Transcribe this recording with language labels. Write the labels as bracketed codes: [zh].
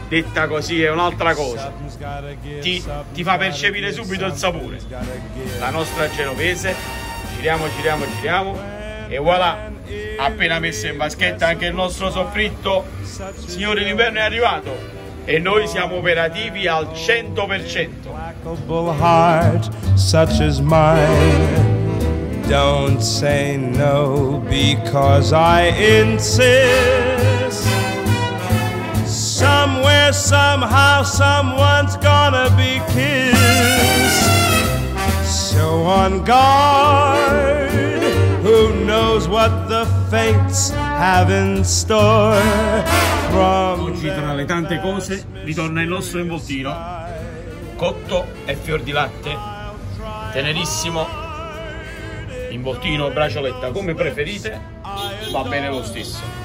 [it] Detta così è un'altra cosa, ti fa percepire subito il sapore. La nostra genovese, giriamo, e voilà, appena messa in vaschetta anche il nostro soffritto. Signori, l'inverno è arrivato e noi siamo operativi al 100%. [en] Heart such as mine, don't say no because I insist. Somewhere, somehow, someone's gonna be kissed. So on guard, who knows what the fates have in store. [it] Oggi tra le tante cose ritorna il nostro involtino cotto e fior di latte, tenerissimo involtino, bracioletta, come preferite, va bene lo stesso.